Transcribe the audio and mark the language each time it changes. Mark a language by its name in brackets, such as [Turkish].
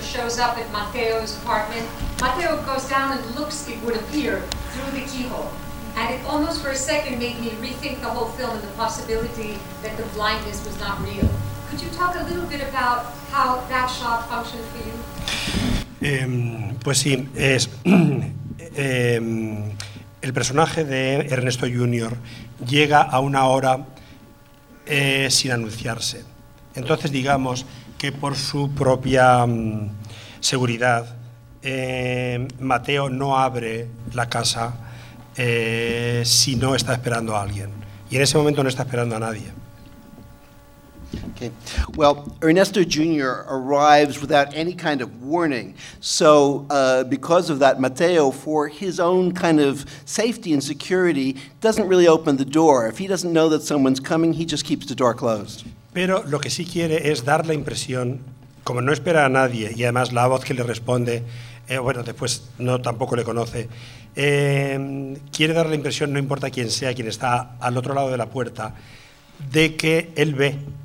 [English] shows up at Mateo's apartment. Mateo goes down and looks, it would appear, through the keyhole. And it almost for a second made me rethink the whole film and the possibility that the blindness was not real. Could you talk a little bit about how that shot functioned for you? [Spanish] Pues sí, es el personaje de Ernesto Jr. llega a una hora sin anunciarse. Entonces digamos que por su propia seguridad, Mateo no abre la casa si no está esperando a alguien. Y en ese momento no está esperando a nadie. [English] Okay. Well, Ernesto Jr. arrives without any kind of warning. So because of that, Mateo, for his own kind of safety and security, doesn't really open the door. If he doesn't know that someone's coming, he just keeps the door closed. [Spanish] Pero lo que sí quiere es dar la impresión, como no espera a nadie, y además la voz que le responde, bueno, después no tampoco le conoce, quiere dar la impresión, no importa quién sea, quien está al otro lado de la puerta, de que él ve.